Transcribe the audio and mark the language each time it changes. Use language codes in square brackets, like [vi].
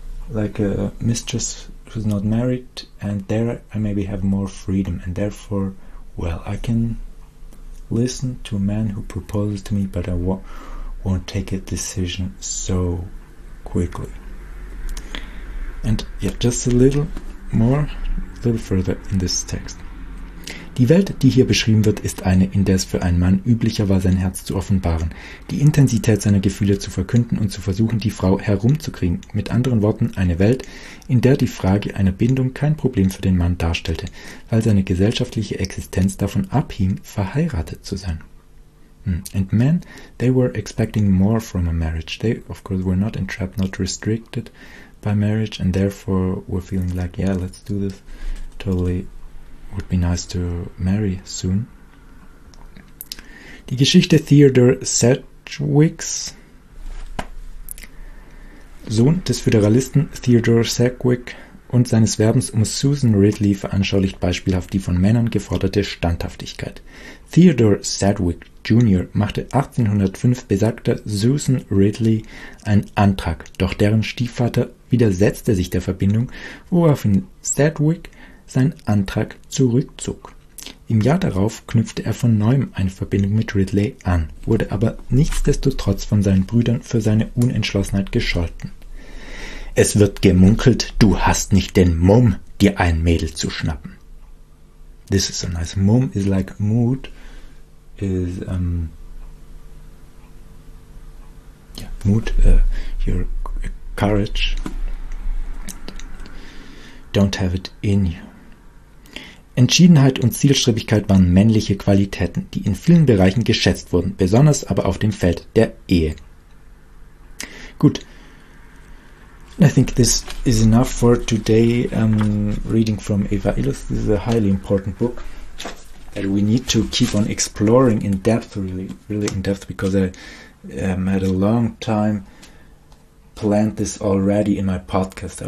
[en] like a mistress who's not married, and there I maybe have more freedom, and therefore, well, I can listen to a man who proposes to me, but I won't take a decision so quickly. And yeah, just a little more, a little further in this text. [de] Die Welt, die hier beschrieben wird, ist eine, in der es für einen Mann üblicher war, sein Herz zu offenbaren, die Intensität seiner Gefühle zu verkünden und zu versuchen, die Frau herumzukriegen. Mit anderen Worten, eine Welt, in der die Frage einer Bindung kein Problem für den Mann darstellte, weil seine gesellschaftliche Existenz davon abhing, verheiratet zu sein. [en] And men, they were expecting more from a marriage. They, of course, were not entrapped, not restricted by marriage, and therefore were feeling like, yeah, let's do this, totally. Would be nice to marry soon. [de] Die Geschichte Theodore Sedgwicks, Sohn des Föderalisten Theodore Sedgwick, und seines Werbens um Susan Ridley veranschaulicht beispielhaft die von Männern geforderte Standhaftigkeit. Theodore Sedgwick Jr. machte 1805 besagter Susan Ridley einen Antrag, doch deren Stiefvater widersetzte sich der Verbindung, woraufhin Sedgwick seinen Antrag zurückzog. Im Jahr darauf knüpfte er von neuem eine Verbindung mit Ridley an, wurde aber nichtsdestotrotz von seinen Brüdern für seine Unentschlossenheit gescholten. Es wird gemunkelt, du hast nicht den Mumm, dir ein Mädel zu schnappen. [en] This is so nice. Mumm is like mood, is yeah, mood, your courage. Don't have it in you. [de] Entschiedenheit und Zielstrebigkeit waren männliche Qualitäten, die in vielen Bereichen geschätzt wurden, besonders aber auf dem Feld der Ehe. Gut. [en] I think this is enough for today, reading from Eva Illus. This is a highly important book that we need to keep on exploring in depth, really, really in depth, because I had a long time planned this already in my podcast.